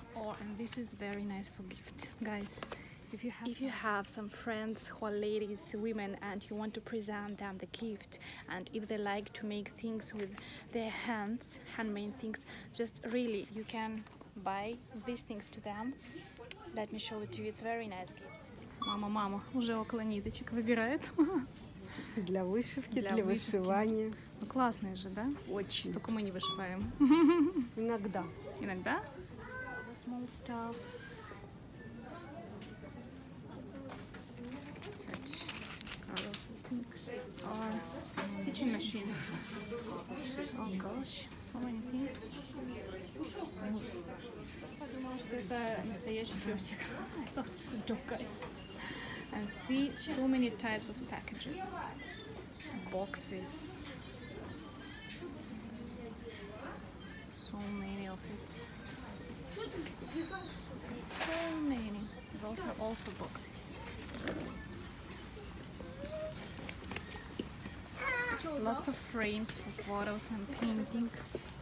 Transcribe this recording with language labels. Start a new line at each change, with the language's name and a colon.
English: Oh, and this is very nice for gift, guys. If you have some friends who are ladies, women, and you want to present them the gift, and if they like to make things with their hands, handmade things, just really, you can buy these things to them. Let me show it to you. It's a very nice gift.
Russian: Мама, уже около ниточек выбирает. Для вышивки, для вышивания. Ну, классные же, да? Очень. Только мы не вышиваем. Иногда. Иногда?
English: The small stuff. Such colorful things. Or stitching machines. Oh gosh, so many things.
Russian: Подумала, что это настоящий пёсик.
English: I thought it's a dog, guys. And see so many types of packages, boxes, so many of it, so many, those are also boxes, lots of frames for photos and paintings.